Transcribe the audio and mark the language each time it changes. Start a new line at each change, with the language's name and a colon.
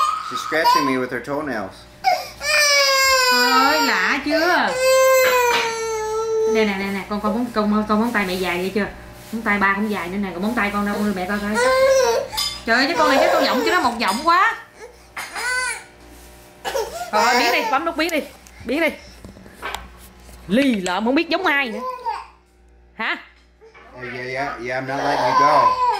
English: She's scratching me with her toenails.
Vietnamese: Ơi lạ chưa. Nè nè nè nè, con móng tay mẹ dài vậy chưa? Móng tay ba cũng dài nữa nè, còn móng tay con đâu, mẹ coi coi. Trời ơi chứ con này chứ con giọng chứ nó một giọng quá. Thôi biến đi, bấm nút biến đi. Lì lợm không biết giống ai nữa. Hả?
English: Yeah, I'm not letting you go.